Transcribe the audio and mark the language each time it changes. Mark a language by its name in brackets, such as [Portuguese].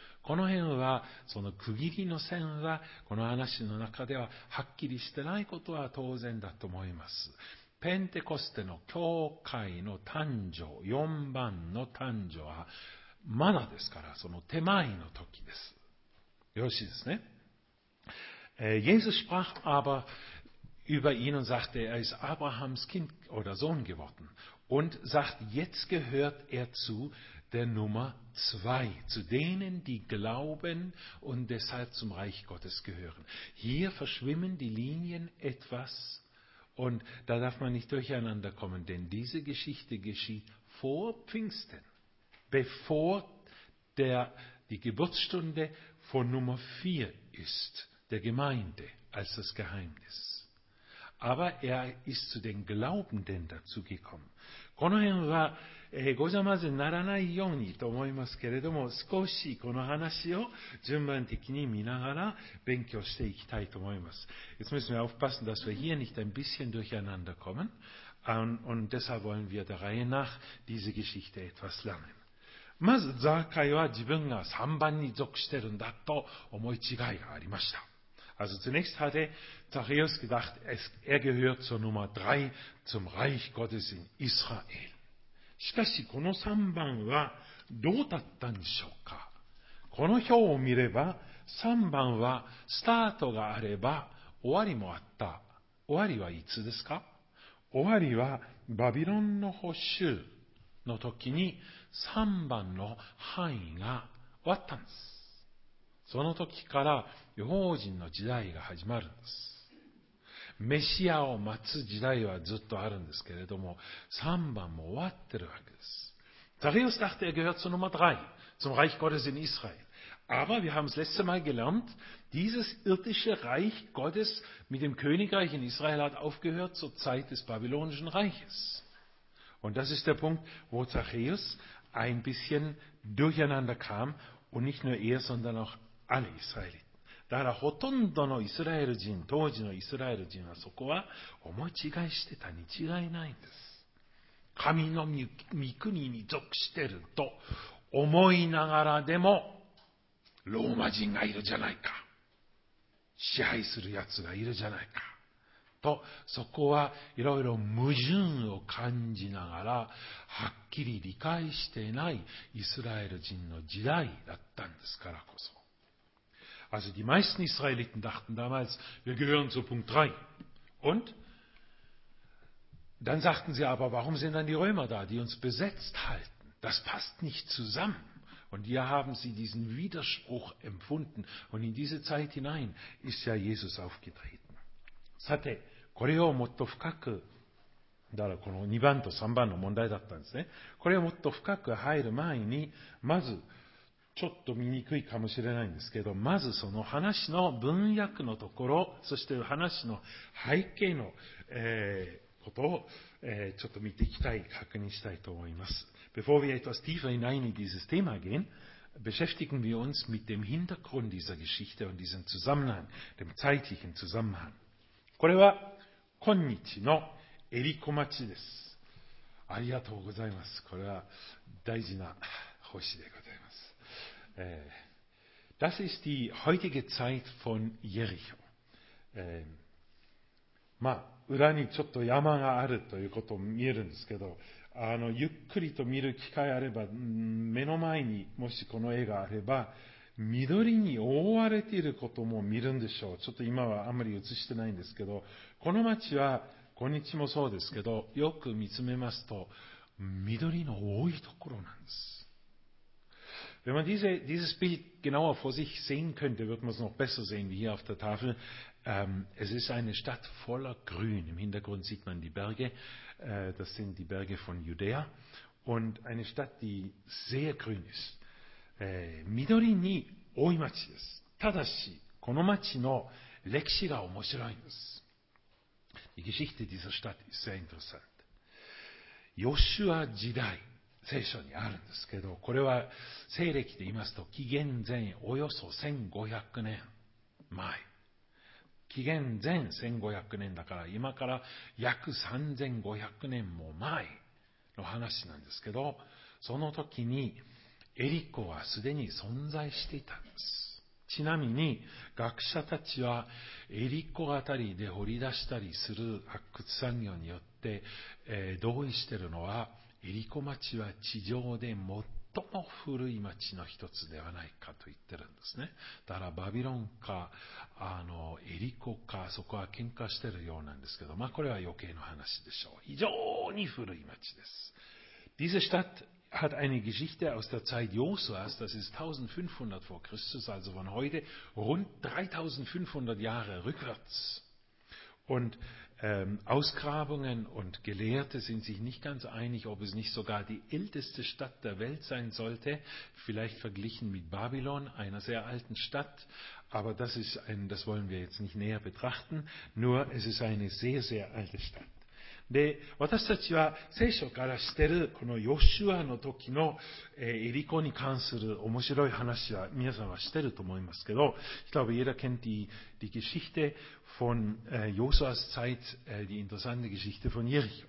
[Japanese] この辺は、その区切りの線は、この話の中でははっきりしてないことは当然だと思います。ペンテコステの教会の誕生、4番の誕生は、マナですから、その手前の時です。よろしいですね。 [German] Jesus sprach aber über ihn und sagte, er ist Abrahams Kind oder Sohn geworden. Und sagt, jetzt gehört er zu der Nummer 2, zu denen, die glauben und deshalb zum Reich Gottes gehören. Hier verschwimmen die Linien etwas und da darf man nicht durcheinander kommen, denn diese Geschichte geschieht vor Pfingsten, bevor die Geburtsstunde von Nummer 4 ist, der Gemeinde, als das Geheimnis. Aber er ist zu den Glaubenden dazugekommen. [Japanese] この辺は、ごちゃまぜにならないようにと思いますけれども、少しこの話を順番的に見ながら勉強していきたいと思います。 [German] Jetzt müssen wir aufpassen, dass wir hier nicht ein bisschen durcheinander kommen. Und deshalb wollen wir der Reihe nach diese Geschichte etwas lernen. [Japanese] まず、ザーカイは自分が3番に属してるんだと思い違いがありました。 [German] Also zunächst hatte Zachäus gedacht, er gehört zur Nummer 3, zum Reich Gottes in Israel. [Japanese] しかし、この3番はどうだったんでしょうか？この表を見れば、3番はスタートがあれば終わりもあった。終わりはいつですか？終わりはバビロンの捕囚の時に3番の範囲が終わったんです。その時から預言人の時代が始まるんです。メシアを待つ時代はずっとあるんですけれども、3番も終わってるわけです。 [German] Zachäus dachte, er gehört zur Nummer 3, zum Reich Gottes in Israel. Aber wir haben es letzte Mal gelernt, dieses irdische Reich Gottes mit dem Königreich in Israel hat aufgehört zur Zeit des Babylonischen Reiches. Und das ist der Punkt, wo Zachäus ein bisschen durcheinander kam. Und nicht nur er, sondern auch alle Israeliten. [Japanese] だからほとんどのイスラエル人、当時のイスラエル人はそこは思い違いしてたに違いないんです。神の御国に属してると思いながらでも、ローマ人がいるじゃないか。支配する奴がいるじゃないか。と、そこはいろいろ矛盾を感じながらはっきり理解していないイスラエル人の時代だったんですからこそ。 [German] Also die meisten Israeliten dachten damals, wir gehören zu Punkt 3. Und? Dann sagten sie aber, warum sind dann die Römer da, die uns besetzt halten? Das passt nicht zusammen. Und hier haben sie diesen Widerspruch empfunden. Und in diese Zeit hinein ist ja Jesus aufgetreten. [Japanese] さて、これをもっと深く、だからこの2番と3番の問題だったんですね。これをもっと深く入る前に、まず、ちょっと見にくいかもしれないんですけど、まずその話の文脈のところ、そして話の背景の、ことを、ちょっと見ていきたい、確認したいと思います。 [German] Bevor wir etwas tiefer hinein in dieses Thema gehen,beschäftigen wir uns mit dem Hintergrund dieser Geschichte und diesem Zusammenhang, dem zeitlichen Zusammenhang. [Japanese] これは今日のエリコ町です。ありがとうございます。これは大事な星でございます。 [German] Das ist die heutige Zeit von Jericho. まあ、 [Japanese] 裏にちょっと山があるということを見えるんですけど、ゆっくりと見る機会あれば、目の前にもしこの絵があれば、緑に覆われていることも見るんでしょう。ちょっと今はあんまり映してないんですけど、この町は今日もそうですけど、よく見つめますと緑の多いところなんです。 [German] Wenn man dieses Bild genauer vor sich sehen könnte, wird man es noch besser sehen wie hier auf der Tafel. Es ist eine Stadt voller Grün. Im Hintergrund sieht man die Berge. Das sind die Berge von Judäa. Und eine Stadt, die sehr grün ist. [Japanese] 緑に多い町です。ただし、この町の歴史が面白いんです。 [German] Die Geschichte dieser Stadt ist sehr interessant. [Japanese] ヨシュア時代、聖書にあるんですけど、これは西暦で言いますと、紀元前およそ1500年前。紀元前1500年だから、今から約3500年も前の話なんですけど、その時に、エリコはすでに存在していたんです。ちなみに学者たちはエリコあたりで掘り出したりする発掘産業によって、同意しているのは、エリコ町は地上で最も古い町の一つではないかと言ってるんですね。だからバビロンかエリコか、そこは喧嘩しているようなんですけど、まあこれは余計の話でしょう。非常に古い町です。 [German] Diese Stadt hat eine Geschichte aus der Zeit Josuas, das ist 1500 vor Christus, also von heute rund 3500 Jahre rückwärts. Und Ausgrabungen und Gelehrte sind sich nicht ganz einig, ob es nicht sogar die älteste Stadt der Welt sein sollte, vielleicht verglichen mit Babylon, einer sehr alten Stadt, aber das wollen wir jetzt nicht näher betrachten, nur es ist eine sehr, sehr alte Stadt. [Japanese] で、私たちは聖書から知ってるこのヨシュアの時のエリコに関する面白い話は皆さんは知ってると思いますけど、 [German] ich glaube, jeder kennt die Geschichte von Josuas Zeit, die interessante Geschichte von Jericho.